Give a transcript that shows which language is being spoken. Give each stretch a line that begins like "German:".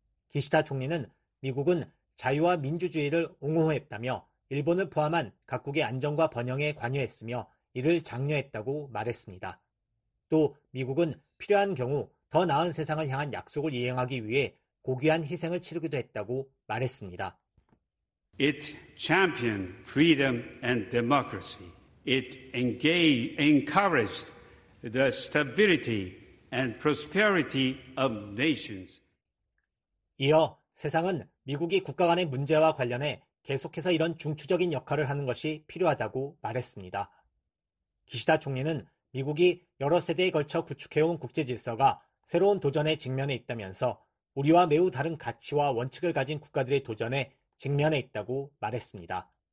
Korean: 기시다 총리는 미국은 자유와 민주주의를 옹호했다며 일본을 포함한 각국의 안정과 번영에 관여했으며 이를 장려했다고 말했습니다. 또 미국은 필요한 경우 더 나은 세상을 향한 약속을 이행하기 위해 고귀한 희생을 치르기도 했다고 말했습니다.
English: It championed freedom and democracy. It encouraged the stability and prosperity of nations.
Korean: 이어 세상은 미국이 국가 간의 문제와 관련해 계속해서 이런 중추적인 역할을 하는 것이 필요하다고 말했습니다. 기시다 총리는 미국이 여러 세대에 걸쳐 구축해온 국제질서가 새로운 도전에 직면해 있다면서 우리와 매우 다른 가치와 원칙을 가진 국가들의 도전에 직면해 있다고 말했습니다.